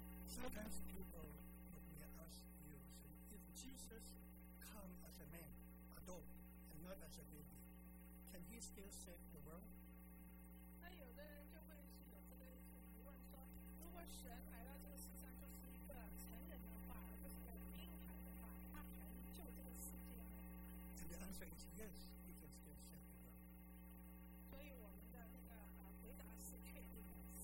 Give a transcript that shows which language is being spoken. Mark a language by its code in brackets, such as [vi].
[en] Sometimes people may ask you, so if Jesus came as a man, adult, and not as a baby, can he still save the world? [zh] 那有的人就会是有这个疑问说，如果神来到这个世上就是一个成人的话，而不是一个婴孩的话，他还能救这个世界吗？ [en] And the answer is yes, he can still save the world. [zh] 所以我们的那个回答是确定的。